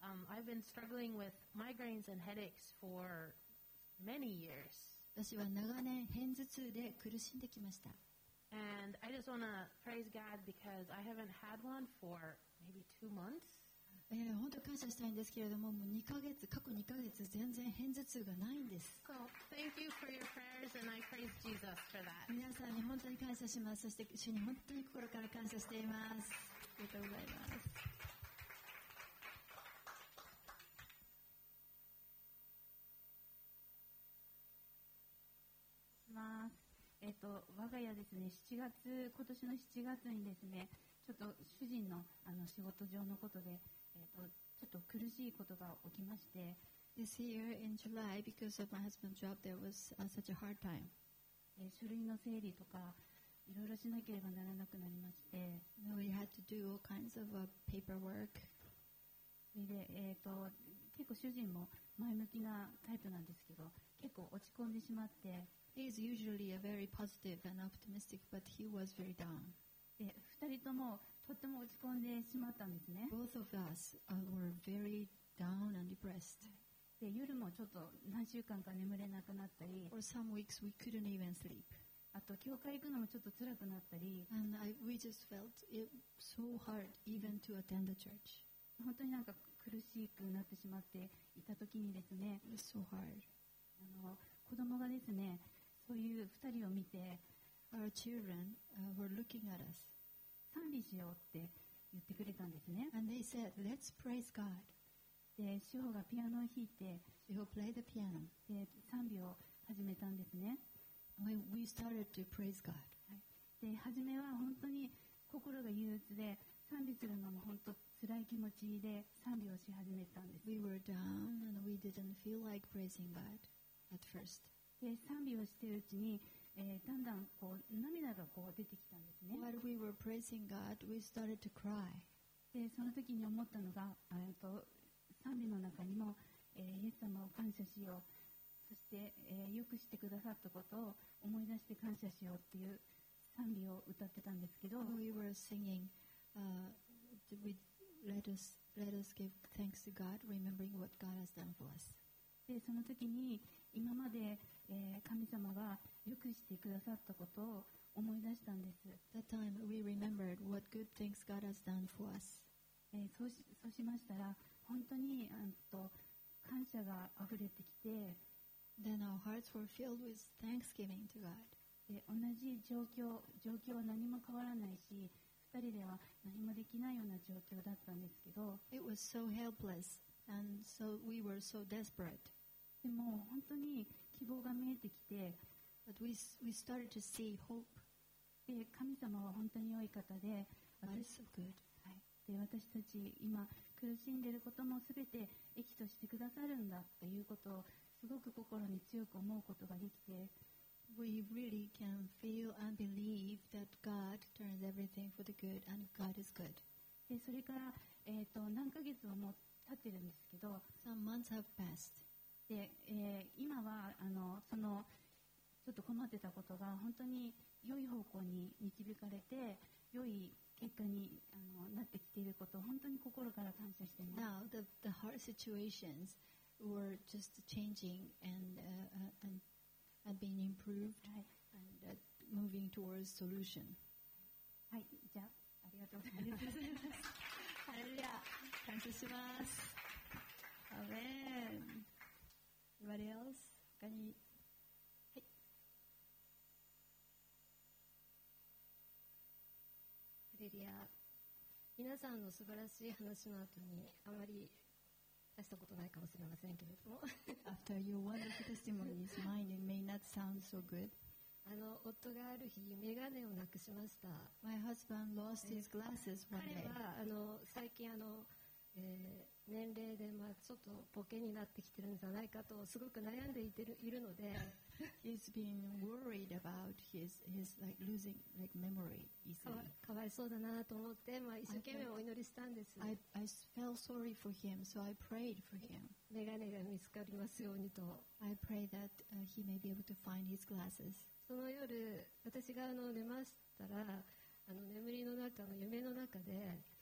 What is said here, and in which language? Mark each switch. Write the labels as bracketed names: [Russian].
[English] I've been struggling with migraines and headaches for many years. [Japanese] 私は長年偏頭痛で苦しんできました。 [English] And I just want to praise God because I haven't had one for maybe 2 months. [Japanese] 本当感謝したいんですけれども、もう2ヶ月、過去2ヶ月全然偏頭痛がないんです。 [English] So thank you for your prayers and I praise Jesus for that. [Japanese] 皆さんに本当に感謝します。そして主に本当に心から感謝しています。ありがとうございます。我が家ですね、7月、今年の7月にですね、ちょっと主人の、あの仕事上のことで、ちょっと苦しいことが起きまして。 [English] This year in July, because of my husband's job, there was such a hard time. [Japanese] 書類の整理とか、いろいろしなければならなくなりまして。 [English] We had to do all kinds of paperwork. [Japanese] で、結構主人も前向きなタイプなんですけど、結構落ち込んでしまって、 [English] He is usually a very positive and optimistic, but he was very down. [Japanese] 二人ともとっても落ち込んでしまったんですね。 [English] Both of us were very down and depressed. [Japanese] で夜もちょっと何週間か眠れなくなったり、 [English] or some weeks we couldn't even sleep. [Japanese] あと教会行くのもちょっと辛くなったり、 [English] and we just felt it so hard even to attend the church. [Japanese] 本当になんか苦しくなってしまっていた時にですね、 [English] it was so hard. [Japanese] 子供がですね、そういう二人を見て、 [English] Our children, were looking at us. [Japanese] 賛美しようって言ってくれたんですね。 [English] And they said, Let's praise God. [Japanese] で、志保がピアノを弾いて、 [English] She will play the piano. [Japanese] で、賛美を始めたんですね。 [English] We started to praise God. [Japanese] で、初めは本当に心が憂鬱で、賛美するのも本当つらい気持ちで賛美をし始めたんです。 [English] We were down and we didn't feel like praising God. At first. [Japanese] で賛美をしているうちに、だんだんこう涙がこう出てきたんですね。 [English] While we were praising God, we started to cry. [Japanese] でその時に思ったのが、賛美の中にも、イエス様を感謝しよう、そして、よくしてくださったことを思い出して感謝しようっていう賛美を歌ってたんですけど、 [English] we were singing, let us give thanks to God, remembering what God has done for us. [Japanese] でその時に今まで、神様がよくしてくださったことを思い出したんです。 [English] That time we remembered what good things God has done for us. [Japanese] そうしましたら本当に感謝が溢れてきて、 [English] Then our hearts were filled with thanksgiving to God. [Japanese] 同じ状況は何も変わらないし、二人では何もできないような状況だったんですけど、 [English] It was so helpless and so we were so desperate. [Japanese] でも本当に希望が見えてきて、 [English] But we started to see hope. [Japanese] で神様は本当に良い方で、 [English] so good. [Japanese] はい、で私たち今苦しんでいることも全て益としてくださるんだということをすごく心に強く思うことができて、 [English] We really can feel and believe that God turns everything for the good and God is good. [Japanese] でそれから、何ヶ月はもう経ってるんですけど、 [English] Some months have passed. [Japanese] で今はそのちょっと困ってたことが本当に良い方向に導かれて良い結果になってきていることを本当に心から感謝しています [English] 。 Now the hard situations were just changing and being improved and moving towards solution. [Japanese] はい、じゃあありがとうございます。ハレルヤ、感謝します。アーメン。 [English] Anybody else? [Japanese] 他に、はい、ハレリア、皆さんの素晴らしい話の後にあまり出したことないかもしれませんけれども [English] After your wonderful testimonies, mine may not sound so good. [Japanese] 夫がある日眼鏡をなくしました。 [English] My husband lost his glasses one day. [Japanese] 彼は最近年齢でまあちょっとボケになってきてるんじゃないかとすごく悩んでいるので、 [English] He's been worried about his like losing like memory. [Japanese] かわいそうだなと思って、まあ一生懸命お祈りしたんです。 [English] I felt sorry for him, so I prayed for him. [Japanese] メガネが見つかりますようにと。 [English] I pray that he may be able to find his glasses. [Japanese] その夜私が寝ましたら、あの眠りの中の夢の中で、